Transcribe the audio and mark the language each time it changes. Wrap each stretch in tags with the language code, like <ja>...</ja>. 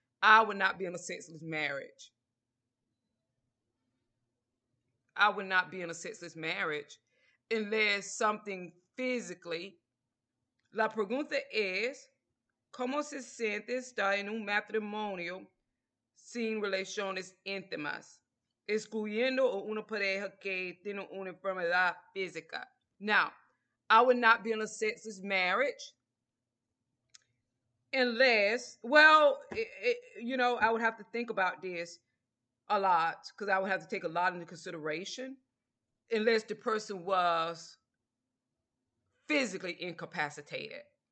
<en>I would not be in a sexless marriage. I would not be in a sexless marriage unless something physically.</en> <es>La pregunta es, ¿cómo se siente estar en un matrimonio sin relaciones íntimas, excluyendo una pareja que tiene una enfermedad física?</es> <en>Now, I would not be in a sexless marriage unless I would have to think about this a lot because I would have to take a lot into consideration unless the person was physically incapacitated.</en>